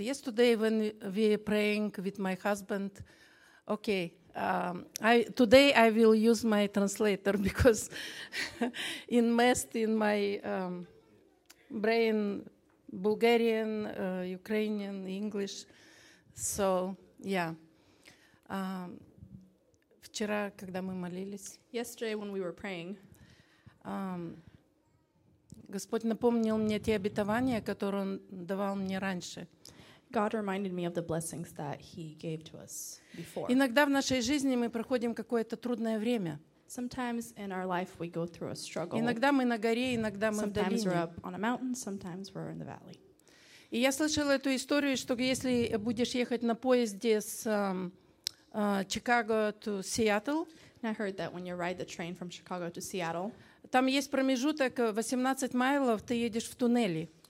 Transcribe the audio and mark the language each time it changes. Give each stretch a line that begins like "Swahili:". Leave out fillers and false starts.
English: Yesterday when we were praying with my husband, okay, today I will use my translator because in my brain, Bulgarian, Ukrainian, English. So, yeah.
Russian: Вчера, когда мы молились,
English: yesterday when we were praying,
Russian: Господь напомнил мне те обетования, которые Он давал мне раньше.
English: God reminded me of the blessings that He gave to us before.
Russian: Иногда в нашей жизни мы проходим какое-то трудное время.
English: Sometimes in our life we go through a struggle.
Russian: Иногда мы на горе, иногда мы в долине.
English: Sometimes we're up on a mountain, sometimes we're in the valley.
Russian: И я слышала эту историю, что если будешь ехать на поезде с
English: Chicago to Seattle, and I heard that when you ride the train from Chicago to Seattle,
Russian: там есть промежуток 18 майлов, ты едешь в туннеле.